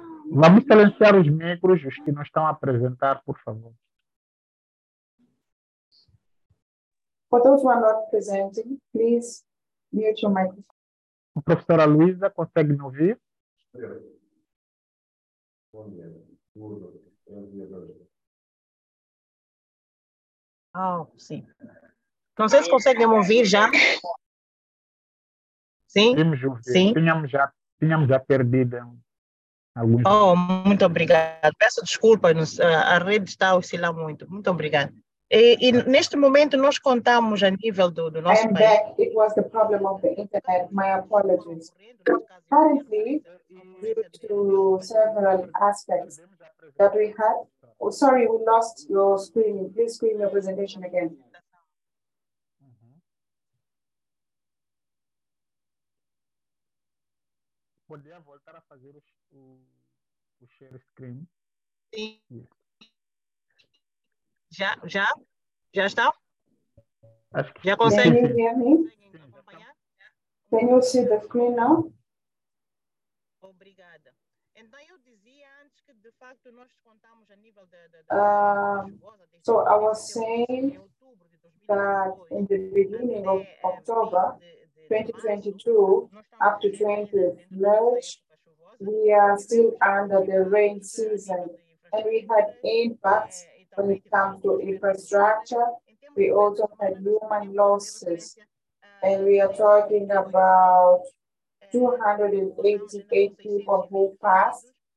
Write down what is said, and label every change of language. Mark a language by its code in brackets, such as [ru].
[pt] Vamos silenciar os micros, os que não estão a apresentar, por favor. [en] For those who are not presenting, please mute your microphone. [pt] A professora Luísa consegue me ouvir? Ah, oh, sim. Não sei se conseguem ouvir já. Sim? Podemos ouvir. Sim. Tínhamos já perdido alguns. Oh, muito obrigada. Peço desculpas, a rede está a oscilar muito. Muito obrigada. E neste momento nós contamos a nível do nosso país. [en] And that it was the problem of the internet. My apologies. Currently, due to several aspects that we had. Oh, sorry, we lost your screen. Please screen your presentation again. [pt] Poderia voltar a fazer o share screen? Sim. Já está? Acho que já consegue. [en] Can you hear me? Can you see the screen now? [pt] Obrigada. Então eu dizia antes que de facto nós contamos a nível da. [en] So I was saying that in the beginning of October 2022 up to 20th March, we are still under the rain season and we had impacts. When it comes to infrastructure, we also had human losses, and we are talking about 288 people who passed.